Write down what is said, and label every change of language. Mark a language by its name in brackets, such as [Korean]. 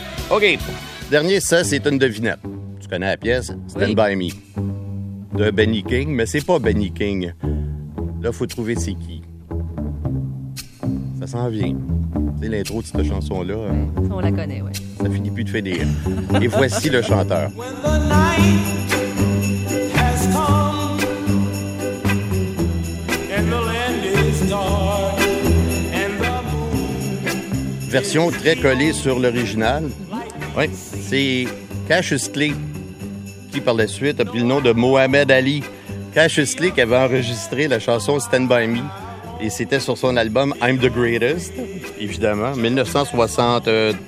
[French] OK. Dernier, ça, c'est une devinette. Tu connais la pièce? Stand by me. De Benny King, mais c'est pas Benny King. Là, faut trouver c'est qui. Ça s'en vient. Tu sais, l'intro de cette chanson-là... On la connaît, ouais. Ça finit plus de finir. Et voici le chanteur. [English] When the night has come and the land is dark. [French] Version très collée sur l'original. Oui, c'est Cassius Clay qui, par la suite, a pris le nom de Mohamed Ali. Cassius Clay qui avait enregistré la chanson Stand By Me et c'était sur son album I'm the Greatest, évidemment, 1963.